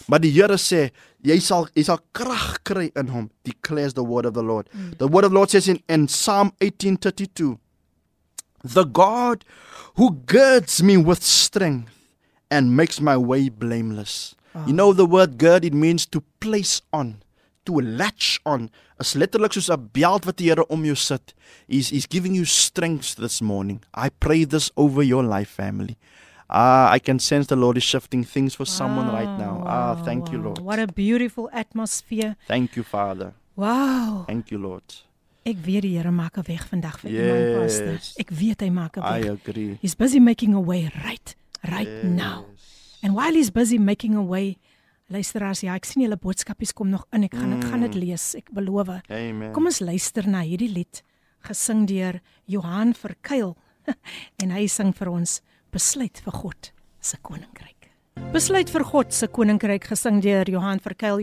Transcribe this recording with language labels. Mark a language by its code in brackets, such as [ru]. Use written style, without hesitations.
[af] Maar die Here sê, jy sal krag kry in Hom, [en] declares the word of the Lord. The word of the Lord says in Psalm 18:32. The God who girds me with strength and makes my way blameless. Wow. You know the word gird, it means to place on, to latch on. [af] As letterlik soos 'n beeld wat die Here om jou sit. [en] He's giving you strength this morning. I pray this over your life, family. I can sense the Lord is shifting things for someone right now. Thank you, Lord. What a beautiful atmosphere. Thank you, Father. Wow. Thank you, Lord. [af] Ek weet die Here maak 'n weg vandag vir iemand, pastor. Ek weet hy maak 'n weg. [en] I agree. He's busy making a way right now. And while he's busy making a way, [af] luisteraars, ek sien julle boodskapies kom nog in. Ek gaan dit lees, ek beloof. Amen. Kom ons luister na hierdie lied, gesing deur Johan Verkuil. En hy sing vir ons, Besluit vir God se Koninkryk. Besluit vir God se Koninkryk, gesing deur Johan Verkuil.